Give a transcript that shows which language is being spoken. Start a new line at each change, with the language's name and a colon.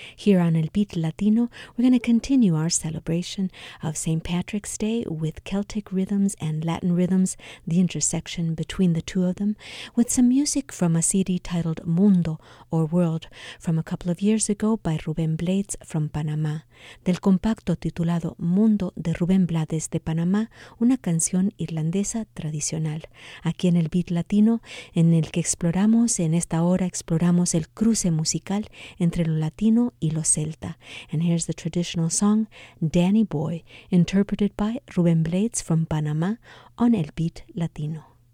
English: Here on El Beat Latino, we're going to continue our celebration of St. Patrick's Day with Celtic rhythms and Latin rhythms, the intersection between the two of them, with some music from a CD titled Mundo, or World, from a couple of years ago by Rubén Blades from Panamá.
Spanish: Del compacto titulado Mundo de Rubén Blades de Panamá, una canción irlandesa tradicional. Aquí en El Beat Latino, en el que exploramos, en esta hora exploramos el cruce musical entre lo latino y lo celta.
English: And here's the traditional song, Danny Boy, interpreted by Rubén Blades from Panamá on El Beat Latino.